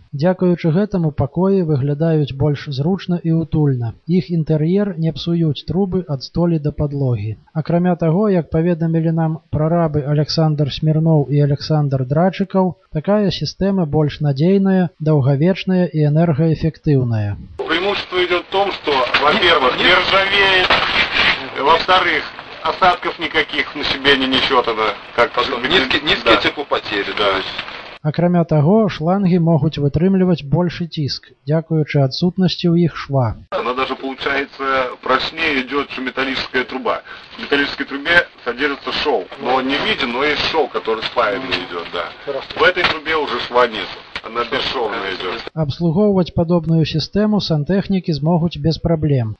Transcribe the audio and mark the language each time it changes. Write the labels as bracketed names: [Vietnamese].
[Belarusian] Дзякуючы гэтаму пакоі выглядаюць больш зручна і утульна. Іх інтэр'ер не псуюць трубы ад столі да падлогі. Акрамя таго, як паведамілі нам прарабы Аляксандр Смірноў і Аляксандр Драчыкаў, такая сістэма больш надзейная, даўгавечная і энергаэфектыўная. [Russian] Преимущество идет в том, что, во-первых, не ржавеет, во-вторых, осадков никаких на себе не несет, это как низкие теплопотери, да. [Belarusian] Акрамя таго, шланги могуць вытрымліваць большы ціск, дзякуючы адсутнасці ў іх шва. [Russian] Она даже получ... получается прочнее идет, чем металлическая труба. В металлической трубе содержится шелк, но он не виден, но есть шелк, который спаянный идет, да. В этой трубе уже шва нет, она бесшовная идет. Обслуговывать подобную систему сантехники смогут без проблем.